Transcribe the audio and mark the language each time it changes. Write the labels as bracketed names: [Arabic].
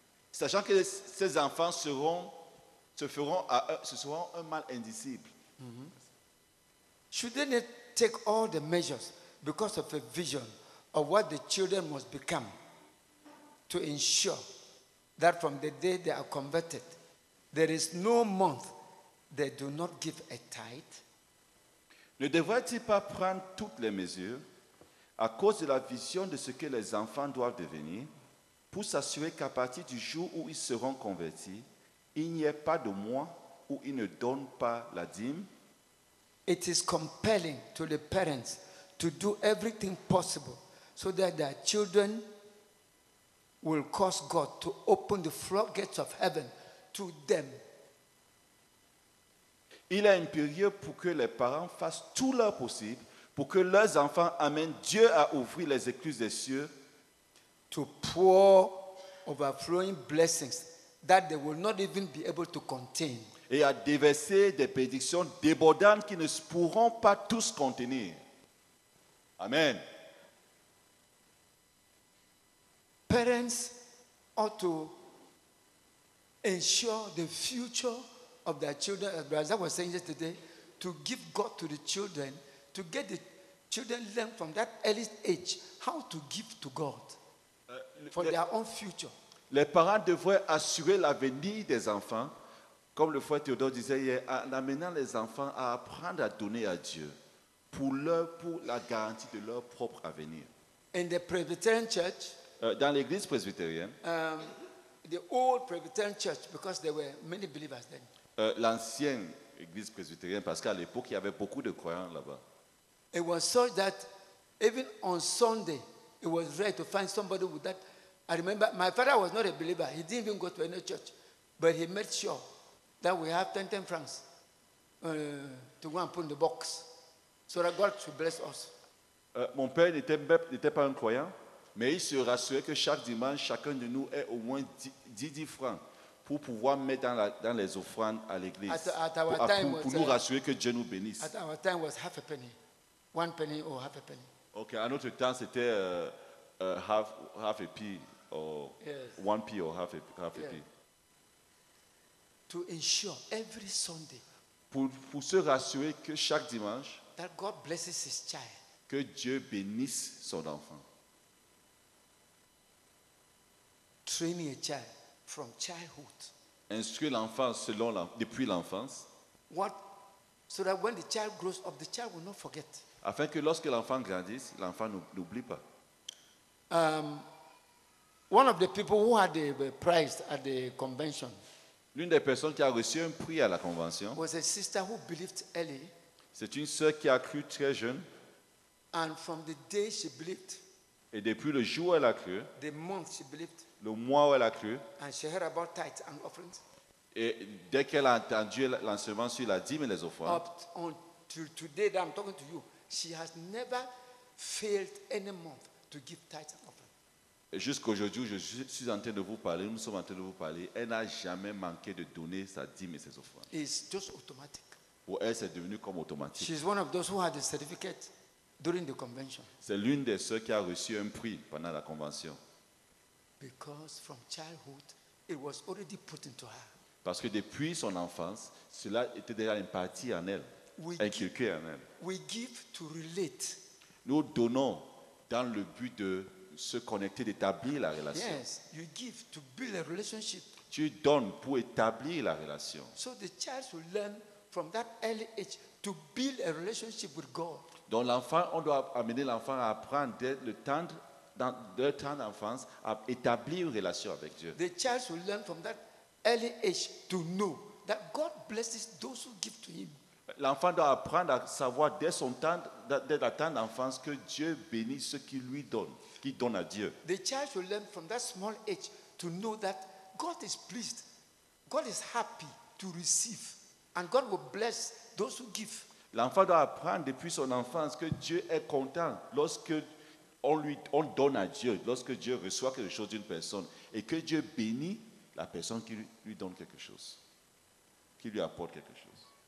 [French] Sachant que ces enfants se feront un mal indicible. Mm-hmm. [English] Should they take all the measures because of a vision of what the children must become to ensure that from the day they are converted, there is no month they do not give a tithe? [French] Ne devrait-il pas prendre toutes les mesures à cause de la vision de ce que les enfants doivent devenir pour s'assurer qu'à partir du jour où ils seront convertis, il n'y ait pas de mois où ils ne donnent pas la dîme? [English] It is compelling to the parents to do everything possible so that their children will cause God to open the floodgates of heaven to them. [French] Il est impérieux pour que les parents fassent tout leur possible pour que leurs enfants amènent Dieu à ouvrir les écluses des cieux. [English] To pour overflowing blessings that they will not even be able to contain. [French] et a déversé des bénédictions débordantes qui ne pourront pas tous contenir. Amen. [English] Parents ought to ensure the future of their children, as I was saying yesterday, to give God to the children, to get the children learn from that early age how to give to God for their own future. [French] Les parents devraient assurer l'avenir des enfants, comme le frère Théodore disait hier, en amenant les enfants à apprendre à donner à Dieu pour la garantie de leur propre avenir. [English] In the Presbyterian Church, [French] dans l'église presbytérienne, [English] the old Presbyterian Church, because there were many believers then. [French] L'ancienne église presbytérienne, parce qu'à l'époque il y avait beaucoup de croyants là-bas. [English] It was such that even on Sunday, it was rare to find somebody with that. I remember my father was not a believer; he didn't even go to any church, but he made sure that we have 10 francs to go and put in the box, so that God should bless us. [French] Mon père n'était pas un croyant. Mais il se rassurait que chaque dimanche, chacun de nous ait au moins 10 francs pour pouvoir mettre dans les offrandes à l'église. Pour nous rassurer que Dieu nous bénisse. [English] At our time was half a penny. One penny or half a penny. [French] Ok, à notre temps, c'était [English] half a pie. Or yes. One pie or half a pie. To ensure every Sunday. [French] Pour se rassurer que chaque dimanche, [English] that God blesses his child. [French] Que Dieu bénisse son enfant. [English] Training a child from childhood. [French] Instruire l'enfant depuis l'enfance. [English] What? So that when the child grows up, the child will not forget. [French] Afin que lorsque l'enfant grandisse, l'enfant n'oublie pas. [English] One of the people who had the prize at the convention. [French] L'une des personnes qui a reçu un prix à la convention. [English] Was a sister who believed early. [French] C'est une sœur qui a cru très jeune. [English] And from the day she believed. [French] Et depuis le jour où elle a cru. [English] The month she believed. [French] Le mois où elle a cru. [English] And she heard about tithes and offerings. [French] Et dès qu'elle a entendu l'enseignement sur la dîme et les offrandes. [English] Up until today that I'm talking to you, she has never failed any month to give tithes and offerings. [French] Et jusqu'aujourd'hui, je suis en train de vous parler. Nous sommes en train de vous parler. Elle n'a jamais manqué de donner sa dîme et ses offrandes. [English] It's just automatic. [French] Pour elle, c'est devenu comme automatique. [English] She's one of those who had the certificate during the convention. [French] C'est l'une des sœurs qui a reçu un prix pendant la convention. [English] Because from childhood, it was already put into her. [French] Parce que depuis son enfance, cela était déjà imparti en elle, inculqué en elle. [English] We give to relate. [French] Nous donnons dans le but de se connecter, d'établir la relation. [English] Yes, you give to build a relationship. [French] Tu donnes pour établir la relation. [English] So the child will learn from that early age to build a relationship with God. [French] Donc l'enfant, on doit amener l'enfant à apprendre dès le tendre. Dans leur temps d'enfance, à établir une relation avec Dieu. [English] The child will learn from that early age to know that God blesses those who give to Him. [French] L'enfant doit apprendre à savoir dès son temps, dès la temps d'enfance, que Dieu bénit ce qu'il lui donne, qu'il donne à Dieu. [English] The child will learn from that small age to know that God is pleased, God is happy to receive, and God will bless those who give. [French] L'enfant doit apprendre depuis son enfance que Dieu est content lorsque on donne à Dieu, lorsque Dieu reçoit quelque chose d'une personne, et que Dieu bénit la personne qui lui donne quelque chose, qui lui apporte quelque chose.